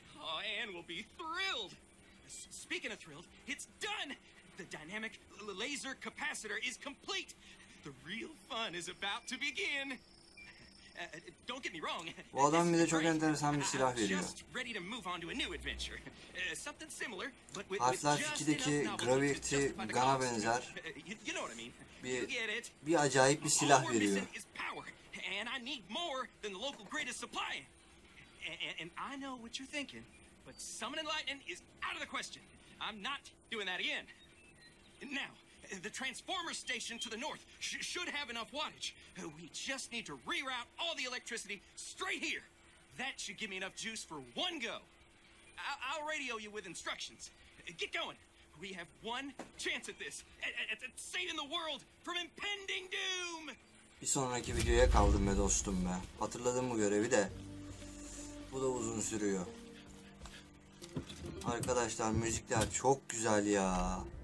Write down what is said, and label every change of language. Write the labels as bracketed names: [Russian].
[English] Oh, Anne will be thrilled. Speaking of thrilled, it's done. The dynamic laser capacitor is complete. The real fun is about to begin. Don't get me wrong. [Turkish] Bu adam bize çok enteresan bir silah veriyor. [English] Just ready to move on to a new adventure. Something similar, but with [Turkish] Harfler 2'deki Gravity Gun'a benzer. [English] You know what I mean? [Turkish] Bir acayip bir silah veriyor. [English] And I need more than the local grid is supplying. And I know what you're thinking, but summoning lightning is out of the question. I'm not doing that again. Now, the transformer station to the north should have enough wattage. We just need to reroute all the electricity straight here. That should give me enough juice for one go. I'll radio you with instructions. Get going. We have one chance at this. At saving the world from impending doom. [Turkish] Bir sonraki videoya kaldım be dostum be. Hatırladım bu görevi de. Bu da uzun sürüyor. Arkadaşlar müzikler çok güzel ya.